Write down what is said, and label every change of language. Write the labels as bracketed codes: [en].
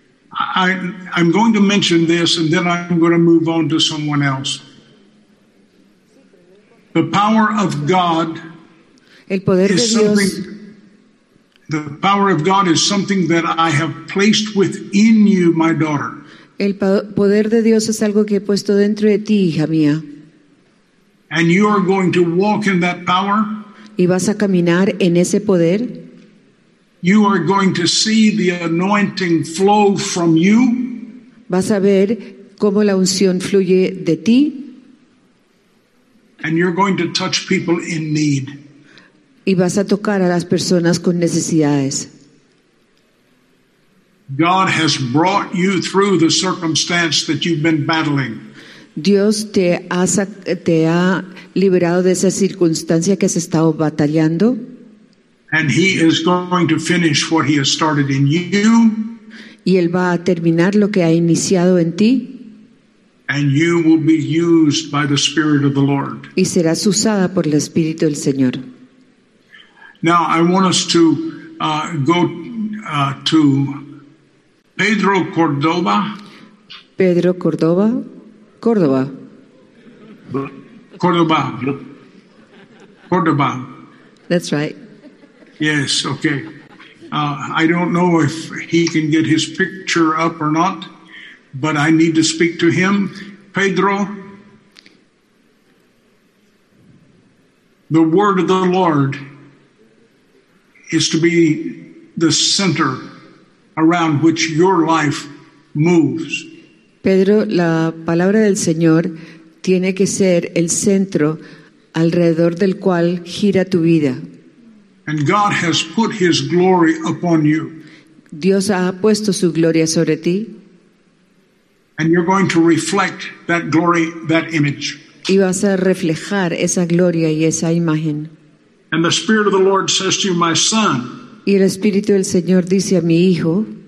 [en] I'm going to mention this, and then I'm going to move on to someone else. The power of God [es] El poder [en] is [es] de [en] something. [es] Dios. [en] The power of God is something that I have placed within you, my daughter. [es] El poder de Dios es algo que he puesto dentro de ti, hija mía. [en] And you are going to walk in that power. [es] ¿Y vas a caminar en ese poder? [en] You are going to see the anointing flow from you. [es] ¿Vas a ver cómo la unción fluye de ti? [en] And you're going to touch people in need. [es] ¿Y vas a tocar a las personas con necesidades? [en] God has brought you through the circumstance that you've been battling. [es] Dios te ha liberado de esa circunstancia que has estado batallando. [en] And he is going to finish what he has started in you. [es] y él va a terminar lo que ha iniciado en ti. [en] And you will be used by the Spirit of the Lord. [es] Y serás usada por el Espíritu del Señor. [en] Now I want us to go to Pedro Cordova. Pedro Cordova. Córdoba. Córdoba. Córdoba. That's right. Yes, okay. I don't know if he can get his picture up or not, but I need to speak to him. Pedro, the word of the Lord is to be the center around which your life moves. [es] Pedro, la palabra del Señor tiene que ser el centro alrededor del cual gira tu vida. [en] And God has put his glory upon you. [es] Dios ha puesto su gloria sobre ti. [en] And you're going to reflect that glory, that image. [es] Y vas a reflejar esa gloria y esa imagen. [en] And the Spirit of the Lord says to you, my son. [es] Y el Espíritu del Señor dice a mi hijo.